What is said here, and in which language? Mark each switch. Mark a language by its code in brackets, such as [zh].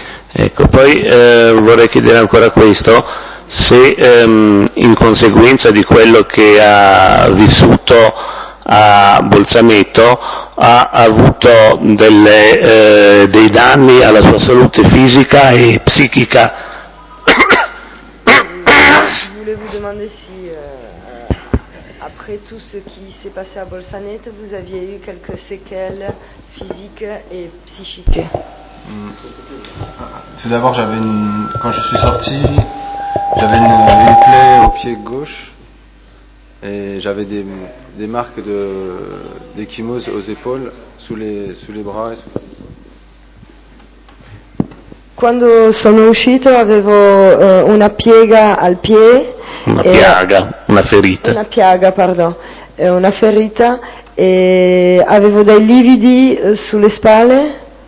[it] Ecco, poi vorrei chiedere ancora questo, se in conseguenza di quello che ha vissuto a Bolzaneto ha avuto dei danni alla sua salute fisica e psichica. Volevo domandare se... [fr] Après tout ce qui s'est passé à Bolzaneto, vous aviez eu quelques séquelles physiques et psychiques. Tout d'abord, quand je suis sorti, j'avais une plaie au pied gauche et j'avais des marques d'ecchymose aux épaules, sous les bras. [it] Quando sono uscito, avevo una piega al piede. Una ferita e avevo dei lividi sulle spalle